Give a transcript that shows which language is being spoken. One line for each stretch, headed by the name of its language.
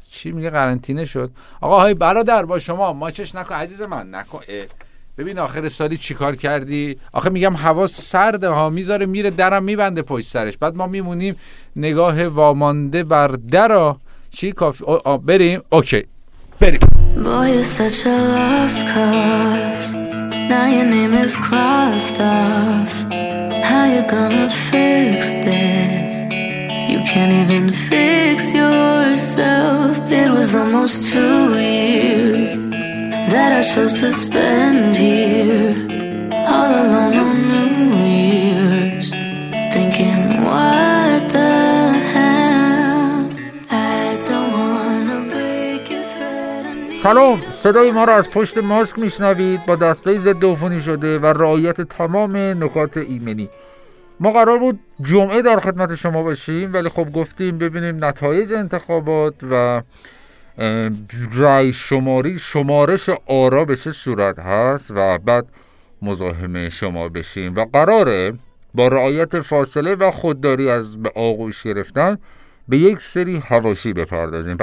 Persian: چی میگه قرنطینه شد؟ آقا های برادر با شما ماچش نکن عزیز من نکن. ببین آخر سالی چی کار کردی؟ آخه میگم هوا سرده ها، میذاره میره درم میبنده پشت سرش، بعد ما میمونیم نگاه وامانده بر درا. چی کافی؟ بریم؟ اوکی بریم.
English: Boy, you're such a lost cause. Now your name is crossed off. How you gonna fix this? You can't even fix yourself. It was almost 2 years that I chose to spend here, all alone on New Year's, thinking what the hell. I don't wanna break your thread.
Persian: سلام. صدای ما را از پشت ماسک میشنوید با دستای ضد عفونی شده و رعایت تمام نکات ایمنی. ما قرار بود جمعه در خدمت شما باشیم، ولی خب گفتیم ببینیم نتایج انتخابات و رأی شماری شمارش آرا به چه صورت هست و بعد مزاحم شما بشیم و قراره با رعایت فاصله و خودداری از به آغوش گرفتن به یک سری حواشی بپردازیم.